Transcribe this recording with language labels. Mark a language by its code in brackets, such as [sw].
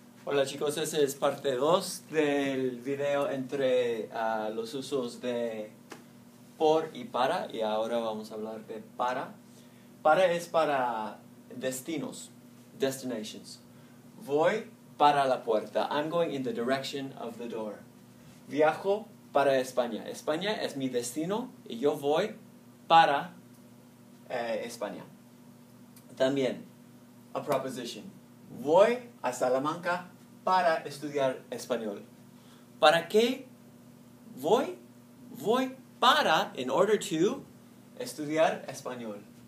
[es] Hola chicos, este es parte 2 del video entre los usos de por y para, y ahora vamos a hablar de para. Para es para destinos, destinations. Voy para la puerta, [en] I'm going in the direction of the door. [es] Viajo para España, España es mi destino y yo voy para España. También, [en] a proposition, [es] voy a Salamanca para estudiar español. ¿Para qué voy? Voy para, [en] in order to, [es] estudiar español.